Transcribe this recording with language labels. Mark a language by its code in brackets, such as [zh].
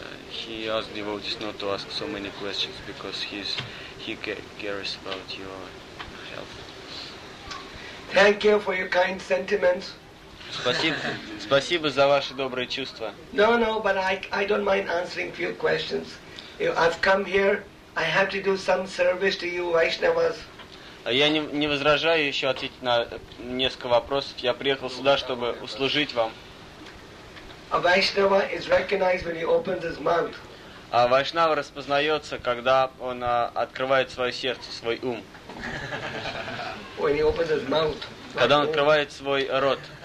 [en] He asked devotees not to ask so many questions because he cares about your health. Thank you for your kind sentiments. [ru] Спасибо за ваши добрые чувства. [en] No, but I don't mind answering few questions. I've come here, I have to do some service to you, Vaishnavas. [ru] Я не возражаю еще ответить на несколько вопросов. Я приехал сюда, чтобы услужить вам. [en] A Vaishnava is recognized when he opens his mouth. [ru] А Вайшнава распознается, когда он открывает свое сердце, свой ум. [en] When he opens his mouth. [ru] Когда он открывает свой рот.